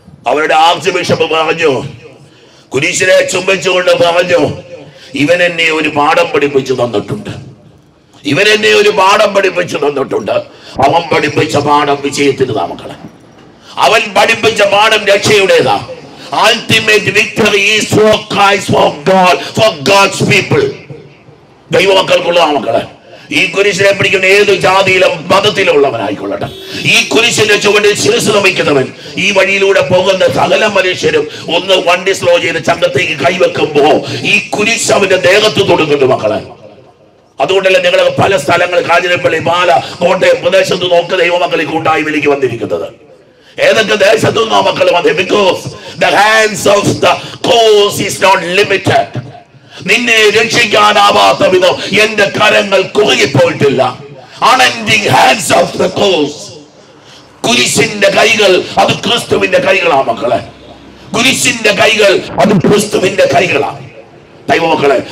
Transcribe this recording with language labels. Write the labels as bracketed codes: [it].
[ml] അവരുടെ arch bishop പറഞ്ഞു, കുരിശിനെ ചുംബിച്ചുകൊണ്ട് പറഞ്ഞു, ഇവനെന്നെ ഒരു പാഠം പഠിപ്പിച്ചു തന്നിട്ടുണ്ട്, ഇവനെന്നെ ഒരു പാഠം പഠിപ്പിച്ചു തന്നിട്ടുണ്ട്. അവൻ പഠിപ്പിച്ച പാഠം വിജയത്തിന് നാമക്കളെ, അവൻ പഠിപ്പിച്ച പാഠം രക്ഷയുടേതാ. [en] Ultimate victory is for Christ, for God, for God's people. [ml] ദൈവമക്കൾക്കുള്ള നാമക്കളെ, ഈ കുരിശിനെ പിടിക്കുന്ന ഏത് ജാതിയിലും മതത്തിലും ഉള്ളവനായിക്കൊള്ളട്ടെ, ഈ കുരിശിന്റെ ചുവട് ശിരസ് നമിക്കുന്നവൻ, ഈ വഴിയിലൂടെ പോകുന്ന സകല മനുഷ്യരും ഒന്ന് വണ്ടി സ്ലോ ചെയ്ത് ചങ്കത്തേക്ക് കൈവെക്കുമ്പോ ഈ കുരിശ് അവന്റെ ദേഹത്ത് തൊടുന്നുണ്ട് മക്കളെ. അതുകൊണ്ടല്ലേ നിങ്ങളെ പല സ്ഥലങ്ങൾ, കാഞ്ഞിരപ്പള്ളി, മാല, കോട്ടയം പ്രദേശത്ത് നോക്ക്, ദൈവമക്കൾ ഈ കൂട്ടായ്മയിലേക്ക് വന്നിരിക്കുന്നത്. ഏതൊക്കെ ദേശത്തു നിന്നോ മക്കൾ വന്നേ? [en] Because the hands of the cause is not limited. [ml] നിന്നെ രക്ഷിക്കാനാവാത്ത വിധം എന്റെ കരങ്ങൾ കുറുകിപ്പോയിട്ടില്ല. [en] Unending hands of the cross. [ml] കുരിശിന്റെ കൈകൾ അത് ക്രിസ്തുവിന്റെ കൈകളാണ് മക്കളെ. കുരിശിന്റെ കൈകൾ അത് ക്രിസ്തുവിന്റെ കൈകളാണ് ദൈവമക്കളെ.